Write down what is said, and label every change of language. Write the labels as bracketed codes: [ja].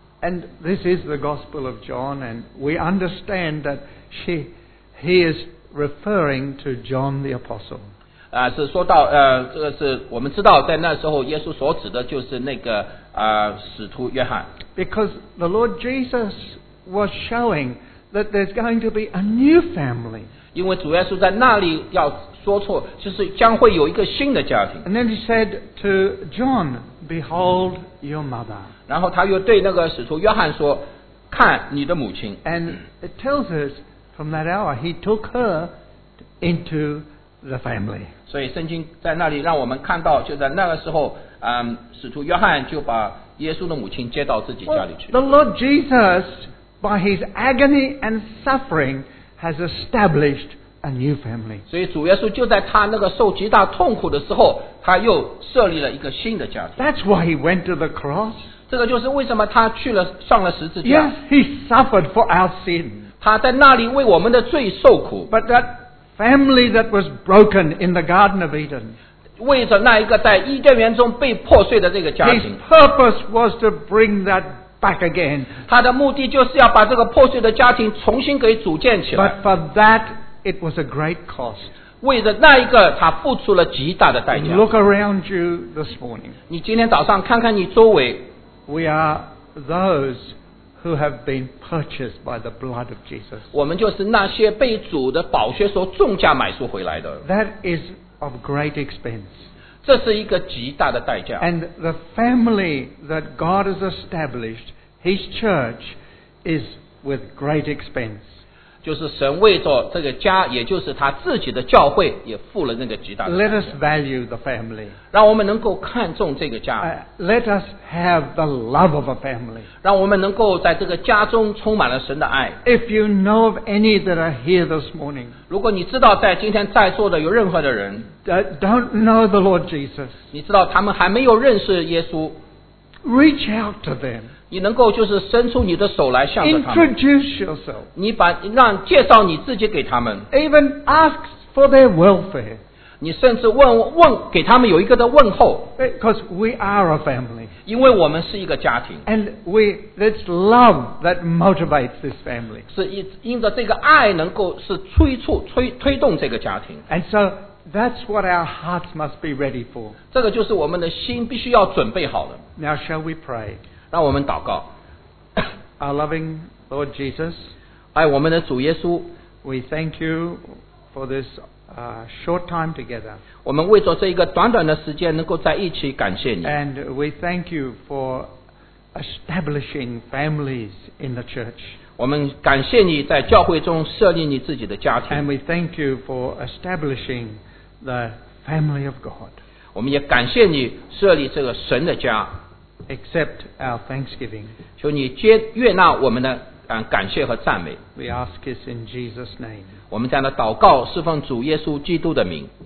[en] And this is the Gospel of John, and we understand that he is referring to John the Apostle. [zh] 是说到这个是我们知道在那时候耶稣所指的就是那个使徒约翰。 [en] Because the Lord Jesus was showing that there's going to be a new family. [zh] 因为主耶稣在那里要说错，就是将会有一个新的家庭。 [en] And then he said to John, "Behold your mother." [zh] 然后他又对那个使徒约翰说，看你的母亲。 [en] And it tells us from that hour he took her into the family. [zh] 所以圣经在那里让我们看到，就在那个时候，使徒约翰就把耶稣的母亲接到自己家里去。 [en] Well, the Lord Jesus, by his agony and suffering, has established a new family. [zh] 所以主耶稣就在他那个受极大痛苦的时候，他又设立了一个新的家庭。 [en] That's why he went to the cross. [zh] 这个就是为什么他去了上了十字架。 [en] Yes, he suffered for our sin. [zh] 他在那里为我们的罪受苦。 [en] But that family that was broken in the Garden of Eden. [zh] 为着那一个在伊甸园中被破碎的这个家庭。 [en] His purpose was to bring that back again. [zh] 他的目的就是要把这个破碎的家庭重新给组建起来。 [en] But for that, it was a great cost. [zh] 为着那一个他付出了极大的代价。 [en] Look around you this morning. [zh] 你今天早上看看你周围。 [en] We are those who have been purchased by the blood of Jesus. [zh] 我们就是那些被主的宝血所重价买赎回来的。 [en] That isOf great expense. [zh] 这是一个极大的代价。 [en] And the family that God has established, His church, is with great expense. [zh] 就是神为着这个家，也就是他自己的教会，也付了那个极大的代价。 [en] Let us value the family. [zh] 让我们能够看重这个家。 [en] Let us have the love of a family. [zh] 让我们能够在这个家中充满了神的爱。 [en] If you know of any that are here this morning. [zh] 如果你知道在今天在座的有任何的人 [en] don't know the Lord Jesus, [zh] 你知道他们还没有认识耶稣 [en] reach out to them, [zh] 你能够就是伸出你的手来向着他们 [en] introduce yourself, [zh] 你把让介绍你自己给他们 [en] even ask for their welfare, [zh] 你甚至问给他们有一个的问候 [en] because we are a family, [zh] 因为我们是一个家庭 [en] and we, it's love that motivates this family. [zh] 是因着这个爱能够是推动这个家庭。 [en] And so, that's what our hearts must be ready for. [zh] 这个就是我们的心必须要准备好的。 [en] Now shall we pray? [zh] 让我们祷告。 [en] Our loving Lord Jesus, [zh] 爱我们的主耶稣 [en] we thank you for this short time together. [zh] 我们为着这一个短短的时间能够在一起感谢你。 [en] And we thank you for establishing families in the church. [zh] 我们感谢你在教会中设立你自己的家庭。 [en] And we thank you for establishing the family of God. [zh] 我们也感谢你设立这个神的家。 [en] Accept our thanksgiving. [zh] 求你接悦纳我们的感谢和赞美。 [en] We ask this in Jesus' name. [zh] 我们这样的祷告侍奉主耶稣基督的名。